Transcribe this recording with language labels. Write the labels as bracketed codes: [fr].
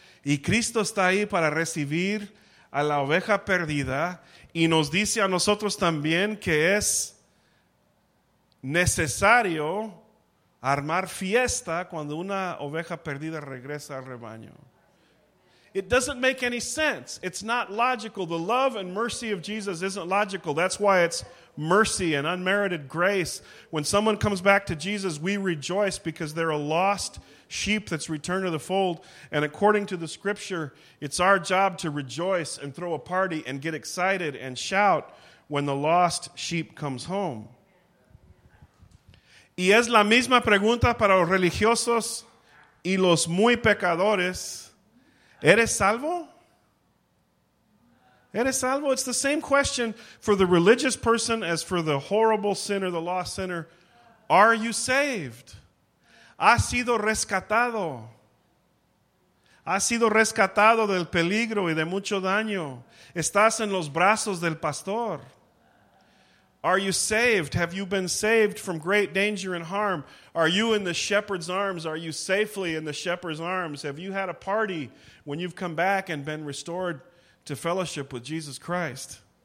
[es] Y Cristo está ahí para recibir a la oveja perdida y nos dice a nosotros también que es necesario armar fiesta cuando una oveja perdida regresa al rebaño. [en] It doesn't make any sense. It's not logical. The love and mercy of Jesus isn't logical. That's why it's mercy and unmerited grace. When someone comes back to Jesus, we rejoice because they're a lost sheep that's returned to the fold. And according to the scripture, it's our job to rejoice and throw a party and get excited and shout when the lost sheep comes home. [es] Y es la misma pregunta para los religiosos y los muy pecadores. ¿Eres salvo? ¿Eres salvo? [en] It's the same question for the religious person as for the horrible sinner, the lost sinner. Are you saved? [es] ¿Has sido rescatado? ¿Has sido rescatado del peligro y de mucho daño? ¿Estás en los brazos del pastor? [en] Are you saved? Have you been saved from great danger and harm? Are you in the shepherd's arms? Are you safely in the shepherd's arms? Have you had a party when you've come back and been restored to fellowship with Jesus Christ?